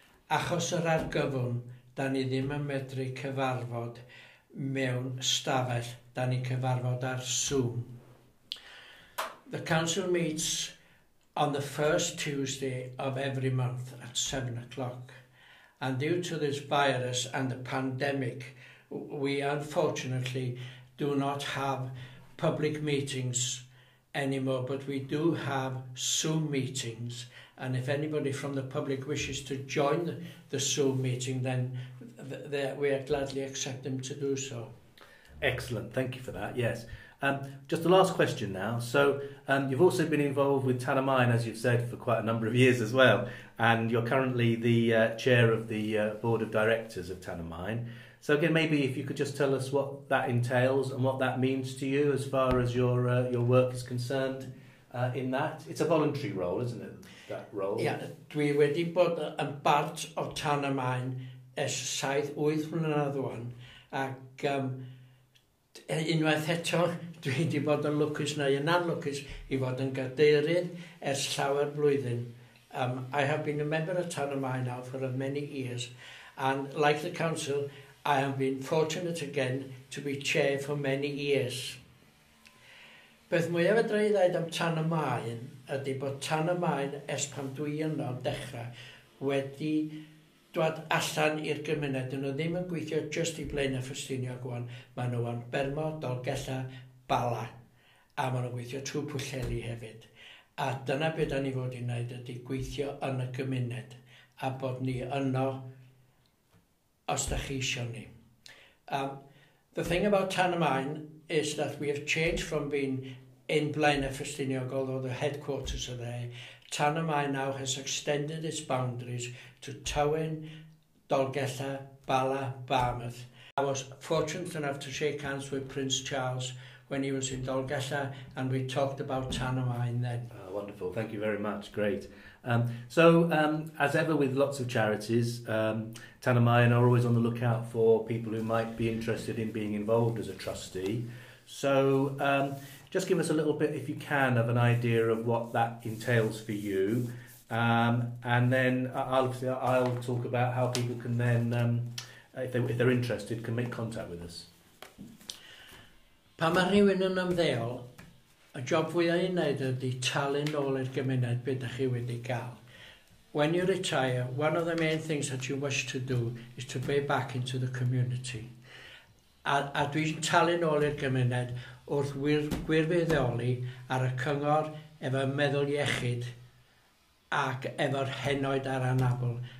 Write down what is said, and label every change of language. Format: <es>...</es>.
<cy>Achos yr argyfwn, da ni ddim yn medru cyfarfod mewn stafell, da ni cyfarfod ar Zoom.</cy> <en>The council meets on the first Tuesday of every month at 7 o'clock. And due to this virus and the pandemic, we unfortunately do not have public meetings anymore, but we do have Zoom meetings, and if anybody from the public wishes to join the Zoom meeting, then we are gladly accept them to do so. Excellent, thank you for that. Yes, just the last question now. So you've also been involved with Tanner Mine, as you've said, for quite a number of years as well, and you're currently the chair of the board of directors of Tanner Mine. So again, maybe if you could just tell us what that entails and what that means to you as far as your work is concerned in that. It's a voluntary role, isn't it, that role?</en> <cy>Yeah, dwi wedi bod yn part o tan y maen es 7-8 mlynedd o'n, ac unwaith eto, dwi wedi bod yn lwcus neu yn anlwcus i fod yn gadeirydd ers llawer blwyddyn.</cy> <en>I have been a member of Tan y Maen now for many years, and like the council, I have been fortunate again to be chair for many years.</en> <cy>Beth mwyaf fedra i ddweud am Tan y Maen ydy bod Tan y Maen ers pan dwi yno dechrau wedi dod allan i'r gymuned. Nhw ddim yn gweithio just i Blaenau Ffestiniog o'n. Maen nhw yn Bermo, Dolgella, Bala, a maen nhw'n gweithio trwy Pwllheli hefyd. A dyna beth da ni fod i wneud ydy gweithio yn y gymuned a bod ni yno os da chi isio ni.</cy> <en>The thing about Tan y Maen is that we have changed from being in Blaenau Ffestiniog, although the headquarters are there. Tan y Maen now has extended its boundaries to Tywyn, Dolgella, Bala, Barmouth. I was fortunate enough to shake hands with Prince Charles when he was in Dolgella, and we talked about Tan y Maen then. Wonderful, thank you very much, great. As ever with lots of charities, Tan y Maen are always on the lookout for people who might be interested in being involved as a trustee. So just give us a little bit, if you can, of an idea of what that entails for you. And then I'll talk about how people can then, if they're interested, can make contact with us.</en> <cy>Pan mae rhywun yn ymddeol, y job fwyaf i wneud ydy talu nôl i'r gymuned beth ydych chi wedi cael.</cy> <en>When you retire, one of the main things that you wish to do is to pay back into the community.</en> <cy>A dwi'n talu nôl i'r gymuned wrth gwirfyddoli ar y cyngor efo meddwl iechyd ac efo'r henoed ar anabl.</cy>